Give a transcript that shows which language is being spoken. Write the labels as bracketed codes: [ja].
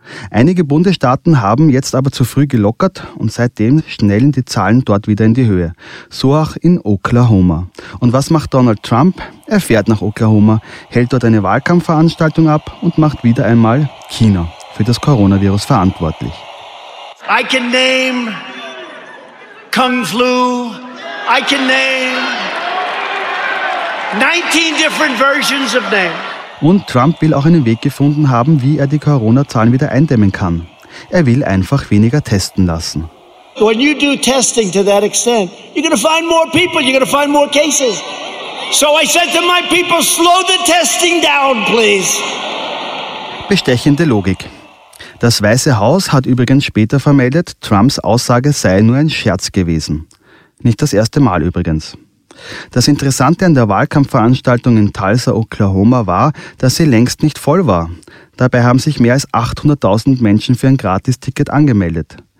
[de] Einige Bundesstaaten haben jetzt aber zu früh gelockert und seitdem schnellen die Zahlen dort wieder in die Höhe. So auch in Oklahoma. Und was macht Donald Trump? Er fährt nach Oklahoma, hält dort eine Wahlkampfveranstaltung ab und macht wieder einmal China für das Coronavirus verantwortlich. [en] I can name Kung Flu. I can name 19 different versions of them. [de] Und Trump will auch einen Weg gefunden haben, wie er die Corona-Zahlen wieder eindämmen kann. Er will einfach weniger testen lassen. [en] When you do testing to that extent, you're going to find more people, you're going to find more cases. So I said to my people, slow the testing down, please. [de] Bestechende Logik. Das Weiße Haus hat übrigens später vermeldet, Trumps Aussage sei nur ein Scherz gewesen. Nicht das erste Mal übrigens. Das Interessante an der Wahlkampfveranstaltung in Tulsa, Oklahoma war, dass sie längst nicht voll war. Dabei haben sich mehr als 800.000 Menschen für ein Gratisticket angemeldet.